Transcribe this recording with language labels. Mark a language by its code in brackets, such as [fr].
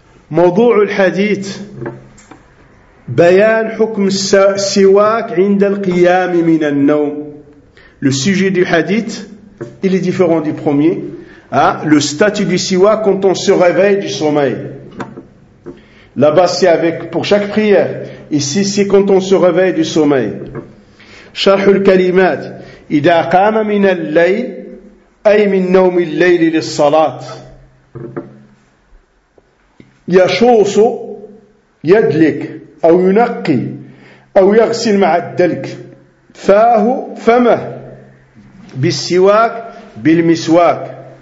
[ar] موضوع الحديث بيان حكم السواك عند القيام من النوم. [fr] Le sujet du hadith, il est différent du premier. Le statut du siwak quand on se réveille du sommeil. Là-bas, c'est avec pour chaque prière. Ici, c'est quand on se réveille du sommeil. [ar] شرح الكلمات إذا قام من الليل أي من نوم الليل للصلاة. يشوص يدلك أو ينقي أو يغسل مع الدلك فاه فمه بالسواك بالمسواك.